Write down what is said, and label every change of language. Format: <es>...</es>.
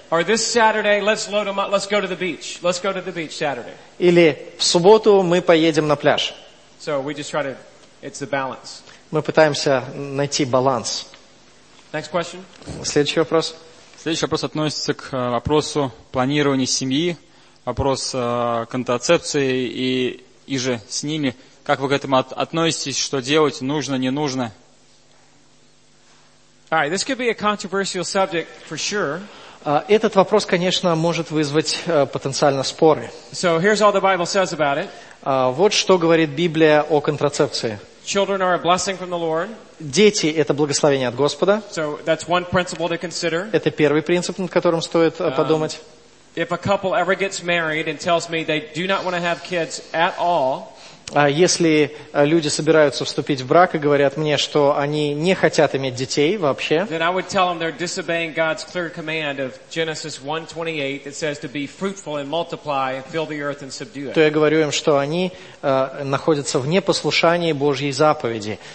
<en>Or this Saturday, let's load them up, let's go to the beach. Let's go to the beach Saturday.</en> <ru>Или в субботу мы поедем на пляж.</ru> <en>So we just try to, it's the balance.</en> <ru>Мы пытаемся найти баланс.</ru> <en>Next question.</en> <ru>Следующий вопрос. Следующий вопрос относится к вопросу планирования семьи, вопрос контрацепции и же с ними. Как вы к этому относитесь? Что делать? Нужно, не нужно?</ru> <en>All right, this could be a controversial subject for sure.</en> <ru>Этот вопрос, конечно, может вызвать потенциально споры.</ru> <en>So here's all the Bible says about it.</en> <ru>Вот что говорит Библия о контрацепции.</ru> <en>Children are a blessing from the Lord.</en> <ru>Дети – это благословение от Господа.</ru> <en>So that's one principle to consider.</en> <ru>Это первый принцип, над которым стоит подумать.</ru> <en>If a couple ever gets married and tells me they do not want to have kids at all,</en> <ru>если люди собираются вступить в брак и говорят мне, что они не хотят иметь детей вообще,</ru> <en>then I would tell them they're disobeying God's clear command of Genesis 1:28 that says to be fruitful and multiply, fill the earth and subdue it.</en> <ru>То я говорю им, что они находятся в непослушании Божьей заповеди.</ru>